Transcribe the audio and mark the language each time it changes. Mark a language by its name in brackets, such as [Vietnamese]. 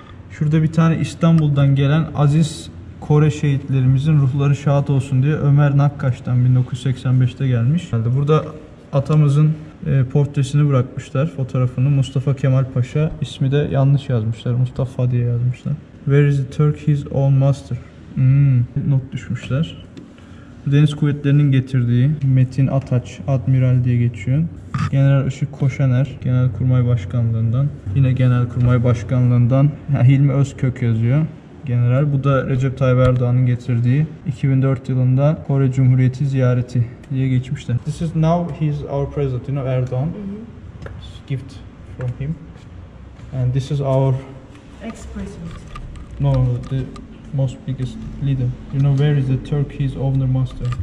[Turkish] Şurada bir tane İstanbul'dan gelen Aziz Kore şehitlerimizin ruhları şad olsun diye Ömer Nakkaş'tan 1985'te gelmiş. Burada atamızın portresini bırakmışlar, fotoğrafını. Mustafa Kemal Paşa, ismi de yanlış yazmışlar. Mustafa diye yazmışlar. [English] Where is the Turk his own master? [Turkish] Not düşmüşler. Deniz kuvvetlerinin getirdiği Metin Ataç, admiral diye geçiyor. General Işık Koşaner, Genelkurmay Başkanlığından. Yine Genelkurmay Başkanlığından Hilmi Özkök yazıyor. General. Bu da Recep Tayyip Erdoğan'ın getirdiği 2004 yılında Kore Cumhuriyeti ziyareti diye geçmişti. [English] This is now he's our president, you know, Erdoğan. Mm-hmm. Gift from him. And this is our ex-president. No, the most biggest leader. You know where is the Turk his owner master?